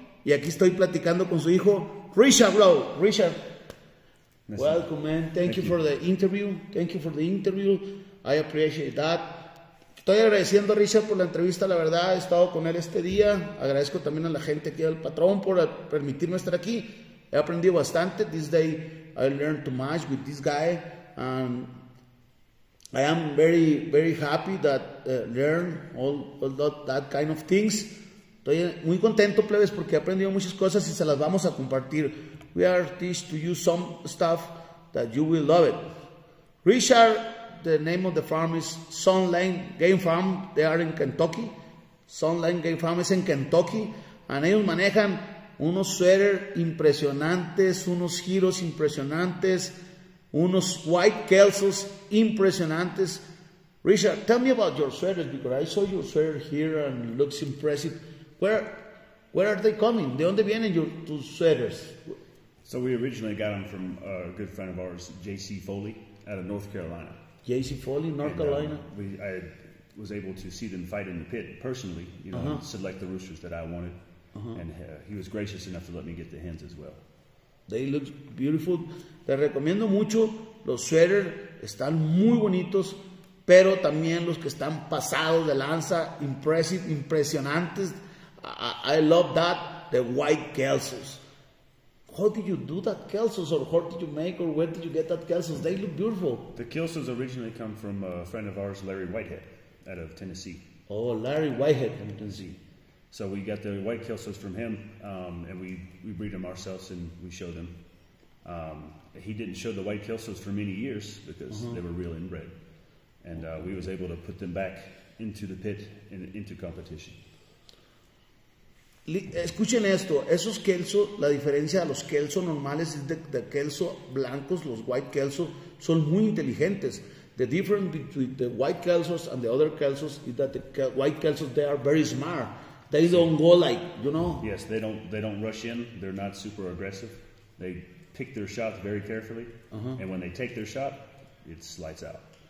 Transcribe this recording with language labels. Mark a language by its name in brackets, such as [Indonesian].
[Spanish] Y aquí estoy platicando con su hijo, Richard Lowe. [English] Richard, welcome, man. Thank you for the interview. Thank you for the interview. I appreciate that. [Spanish] Estoy agradeciendo a Richard por la entrevista, la verdad, he estado con él este día. Agradezco también a la gente aquí, al patrón, por permitirme estar aquí. He aprendido bastante. [English] This day I learned too much with this guy. I am very, very happy that learn all that kind of things. [Spanish] Estoy muy contento, plebes, porque he aprendido muchas cosas y se las vamos a compartir. [English] We are teach to you some stuff that you will love it. Richard, the name of the farm is Sun Lane Game Farm. They are in Kentucky. Sun Lane Game Farm is in Kentucky. [Spanish] And ellos manejan unos sweater impresionantes, unos giros impresionantes, unos white kelsos impresionantes. [English] Richard, tell me about your sweaters, because I saw your sweater here and it looks impressive. Where are they coming? [Spanish] ¿De dónde vienen tus sweaters? [English] So we originally got them from a good friend of ours, J.C. Foley, out of North Carolina. J.C. Foley, North Carolina. I was able to see them fight in the pit personally, you know, select the roosters that I wanted. Uh-huh. And he was gracious enough to let me get the hens as well. They look beautiful. [Spanish] Te recomiendo mucho. Los sweaters están muy bonitos, pero también los que están pasados de lanza, impressive, impresionantes. [English] I love that, the white kelsos. How did you do that kelsos, or how did you make, or where did you get that kelsos? They look beautiful. The kelsos originally come from a friend of ours, Larry Whitehead, out of Tennessee. Oh, Larry Whitehead from Tennessee. So we got the white kelsos from him, and we breed them ourselves, and we show them. He didn't show the white kelsos for many years, because they were real inbred. And we was able to put them back into the pit and into competition. [Spanish] Escuchen esto, esos kelso, la diferencia de los kelso normales es de kelso blancos, los white kelso son muy inteligentes. [English] The difference between the white kelsos and the other kelsos is that the white kelsos, they are very smart. They don't go like, you know. Yes, they don't rush in. They're not super aggressive. They pick their shots very carefully, and when they take their shot, it slides out.